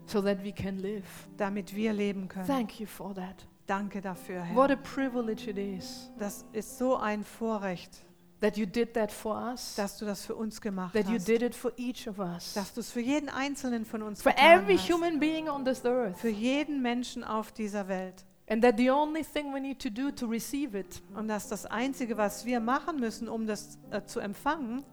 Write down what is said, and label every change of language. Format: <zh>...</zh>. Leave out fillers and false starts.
<en>So that we can live.</en> <de>Damit wir leben können.</de> <en>Thank you for that.</en> <de>Danke dafür, Herr.</de> <en>What a privilege it is.</en> <de>Das ist so ein Vorrecht.</de> <en>That you did that for us.</en> <de>Dass du das für uns gemacht</de> <en>that</en> <de>hast.</de> <en>You did it for each of us.</en> <de>Dass du es für jeden einzelnen von uns</de> <en>for</en> <de>getan</de> <en>every</en> <de>hast.</de> <en>Human being on this earth.</en> <de>Für jeden Menschen auf dieser Welt.</de> <en>And that the only thing we need to do to receive it.</en> <de>Und dass das einzige, was wir machen müssen, um das zu empfangen,</de>